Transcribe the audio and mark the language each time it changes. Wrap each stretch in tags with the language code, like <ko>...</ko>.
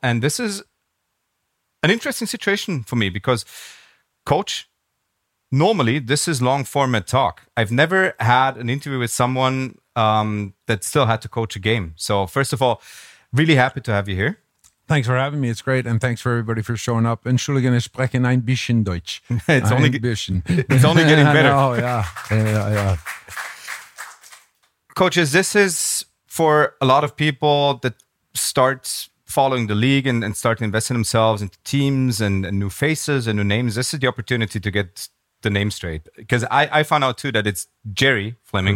<en>And this is an interesting situation for me because, coach, normally this is long format talk. I've never had an interview with someone that still had to coach a game. So first of all, really happy to have you here. Thanks for having me. It's great. And thanks for everybody for showing up.</en> <de>Entschuldigung, ich spreche ein bisschen Deutsch.</de> <en>It's only getting better. Oh, yeah. Coaches, this is for a lot of people that starts following the league and starting investing themselves into teams and new faces and new names. This is the opportunity to get the name straight. Because I found out too that it's Jerry Fleming.</en>